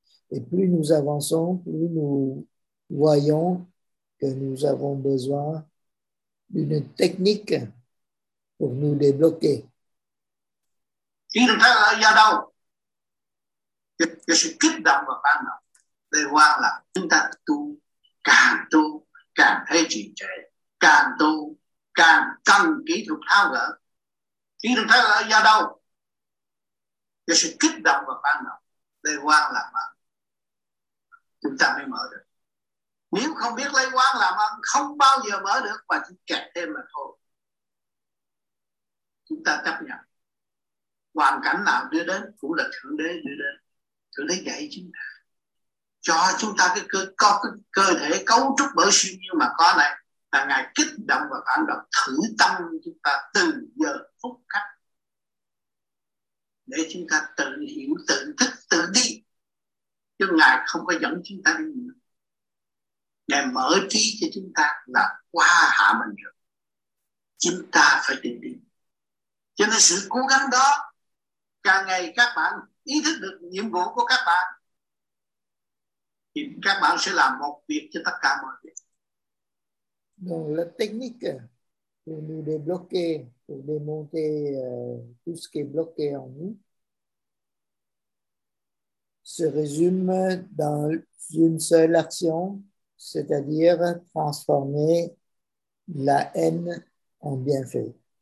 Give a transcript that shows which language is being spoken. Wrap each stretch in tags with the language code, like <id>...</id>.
<fr>Et plus nous avançons, plus nous voyons que nous avons besoin d'une technique pour nous débloquer.</fr> <vi>Càng cần kỹ thuật tháo gỡ. Khi chúng ta ở do đâu? Do sự kích động và phản động. Lấy quan làm ăn. Chúng ta mới mở được. Nếu không biết lấy quan làm ăn, không bao giờ mở được và chỉ kẹt thêm là thôi. Chúng ta chấp nhận. Hoàn cảnh nào đưa đến cũng là Thượng Đế đưa đến. Thượng Đế dạy chúng ta. Cho chúng ta cái cơ thể cấu trúc bởi siêu nhiên mà có này. Là Ngài kích động và phản động thử tâm chúng ta từ giờ phút khắc. Để chúng ta tự hiểu, tự thức, tự đi. Chứ Ngài không có dẫn chúng ta đi nữa. Ngài mở trí cho chúng ta là qua hạ mình được. Chúng ta phải tự đi. Cho nên sự cố gắng đó, càng ngày các bạn ý thức được nhiệm vụ của các bạn, thì các bạn sẽ làm một việc cho tất cả mọi việc.</vi> <fr>Donc la technique pour nous débloquer, pour démonter tout ce qui est bloqué en nous, se résume dans une seule action, c'est-à-dire transformer la haine en bienfait.</fr>